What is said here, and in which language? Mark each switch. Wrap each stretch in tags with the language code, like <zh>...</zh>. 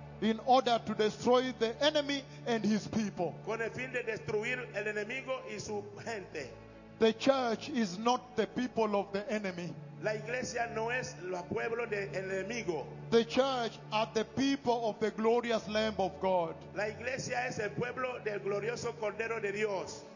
<en>in order to destroy the enemy and his people,</en> <es>con el fin de destruir el enemigo y su gente.</es> <en>The church is not the people of the enemy.</en> <es>La iglesia no es el pueblo del enemigo.</es> <en>The church are the people of the glorious Lamb of God.</en> <es>La iglesia es el pueblo del glorioso Cordero de Dios.</es>